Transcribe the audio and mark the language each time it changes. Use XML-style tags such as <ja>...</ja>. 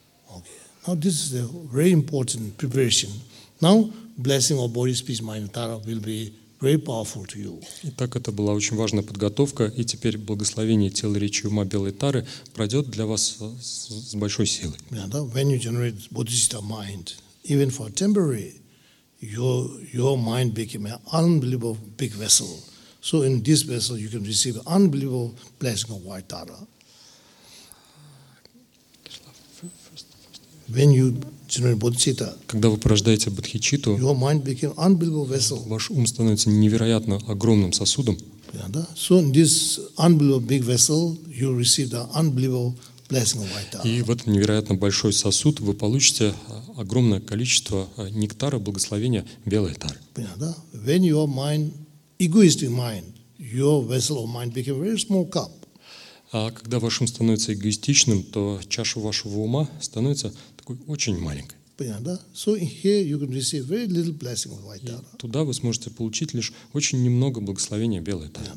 <en>Okay. Now this is a very important preparation. Now blessing of body, speech, mind, tara will be very powerful to you.</en> <ru>Итак, это была очень важная подготовка, и теперь благословение тела, речи, ума, белой тары пройдет для вас с большой силой.</ru> <en>When you generate Buddhist mind, even for temporary, your mind became an unbelievable big vessel. So in this vessel you can receive unbelievable blessing of white tara. When you generate bodhicitta,</en> <ru>когда вы порождаете бодхичитту,</ru> <en>your mind became unbelievable vessel.</en> <ru>Ваш ум становится невероятно огромным сосудом. Yeah, да?</ru> <en>So in this unbelievable big vessel, you receive the unbelievable blessing of white tara.</en> <ru>И в этот невероятно большой сосуд вы получите огромное количество нектара, благословения белой тары. Yeah, да?</ru> <en>When your mind, egoistic mind, your vessel of mind became a very small cup.</en> <ru>А когда ваш ум становится эгоистичным, то чаша вашего ума становится такой очень маленькой. И туда вы сможете получить лишь очень немного благословения белой</ru>